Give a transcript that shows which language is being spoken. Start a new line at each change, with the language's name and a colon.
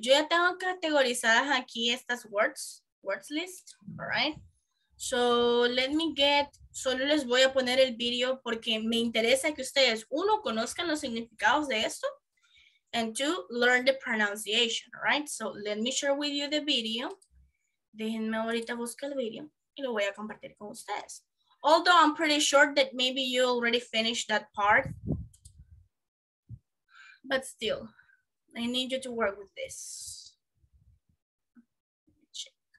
Spanish: Yo ya tengo categorizadas aquí estas
English: words list, all right? So let me get,
Spanish: solo les voy a poner el video porque me interesa que ustedes, uno, conozcan los significados de esto,
English: and two, learn the pronunciation, all right? So let me share with you the video.
Spanish: Déjenme ahorita buscar el video y lo voy a compartir con ustedes.
English: Although I'm pretty sure that maybe you already finished that part, but still, I need you to work with this. Check.